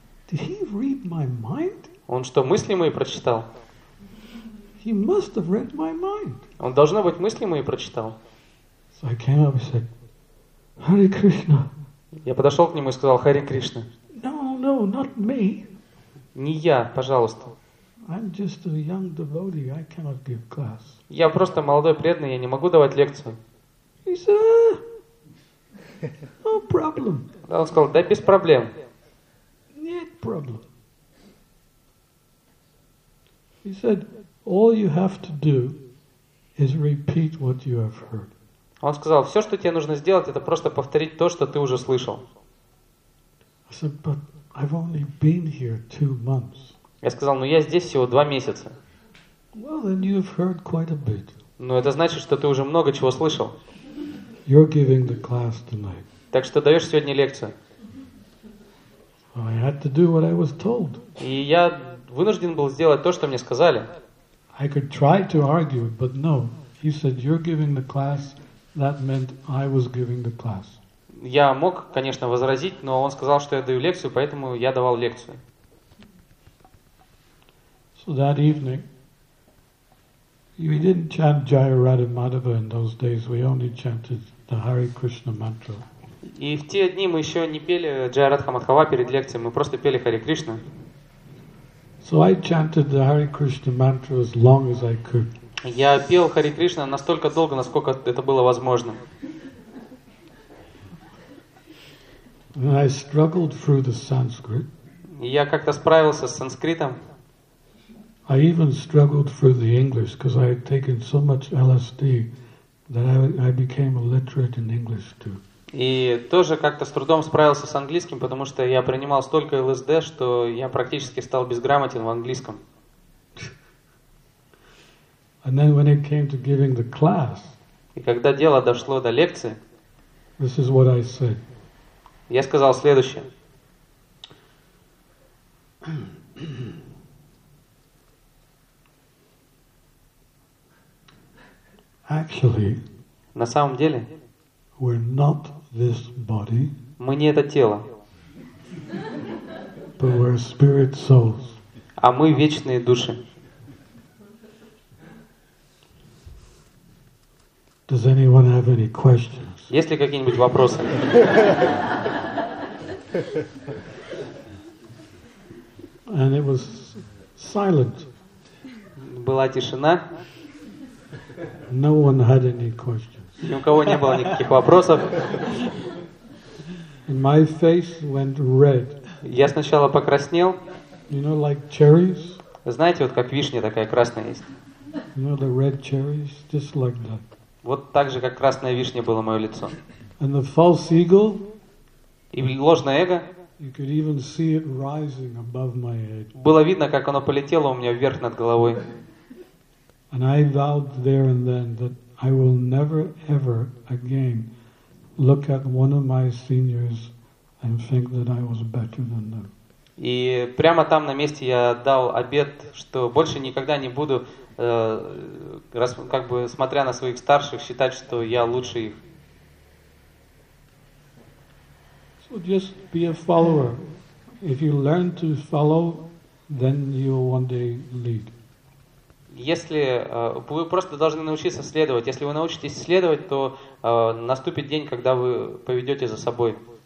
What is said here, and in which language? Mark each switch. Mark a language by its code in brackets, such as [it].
[en] Did he read my mind? [ru] Он что, мысли мои прочитал? [en] He must have read my mind. [ru] Он должно быть мысли мои прочитал. [en] So I came up and said, Hare Krishna. [ru] Я подошел к нему и сказал, Харе Кришна. [en] No, no, not me. [ru] Не я, пожалуйста. [en] I'm just a young devotee. I cannot give class. [ru] Я просто молодой преданный, я не могу давать лекцию. [en] He said, No problem. [ru] Он сказал, да без проблем. Нет проблем. [en] He said, All you have to do is repeat what you have heard. [ru] Он сказал, все, что тебе нужно сделать, это просто повторить то, что ты уже слышал. [en] I said, but I've only been here 2 months. [ru] Я сказал, ну я здесь всего 2 месяца. [en] Well, then you've heard quite a bit. [ru] Ну это значит, что ты уже много чего слышал. [en] You're giving the class tonight. [ru] Так что даешь сегодня лекцию. [en] Well, I had to do what I was told. [ru] И я вынужден был сделать то, что мне сказали. [en] I could try to argue, but no. He said, you're giving the class, that meant I was giving the class. [ru] Я мог, конечно, возразить, но он сказал, что я даю лекцию, поэтому я давал лекцию. [en] So that evening, we didn't chant Jayaradha Madhava in those days, we only chanted the Hare Krishna mantra. [ru] И в те дни мы еще не пели Джайарадха Мадхава перед лекцией, мы просто пели Харе Кришна. [en] So I chanted the Hare Krishna mantra as long as I could. [ru] Я пел Харе Кришна настолько долго, насколько это было возможно. [en] And I struggled through the Sanskrit. [ru] Я как-то справился с санскритом. [en] I even struggled through the English because I had taken so much LSD that I became illiterate in English too. [ru] И тоже как-то с трудом справился с английским, потому что я принимал столько ЛСД, что я практически стал безграмотен в английском. [en] And then when it came to giving the class, [ru] и когда дело дошло до лекции, [en] This is what I said. [ru] Я сказал следующее. [en] Actually, [ru] на самом деле, [en] we're not this body. [ru] Мы не это тело. [en] But we're spirit souls. [ru] А мы вечные души. [en] Does anyone have any questions? [ru] Есть ли какие-нибудь вопросы? [en] And it was silent. [ru] Была тишина. [en] No one had any questions. [ru] Ни у кого не было никаких вопросов. [en] And my face went red. [ru] Я сначала покраснел. [en] You know, like cherries? [ru] Знаете, вот как вишня такая красная есть. [en] You know, the red cherries, just like that. [ru] Вот так же, как красная вишня было мое лицо. [en] And the false ego, [ru] и ложное эго, [en] you could even see it rising above my head. [ru] Было видно, как оно полетело у меня вверх над головой. [en] And I vowed there and then that I will never ever again look at one of my seniors and think that I was better than them. [ru] И прямо там на месте я дал обет, что больше никогда не буду, как бы смотря на своих старших, считать, что я лучше их. [en] So just be a follower. If you learn to follow, then you will one day lead. [ru] Если вы просто должны научиться следовать, если вы научитесь следовать, то наступит день, когда вы поведете за собой.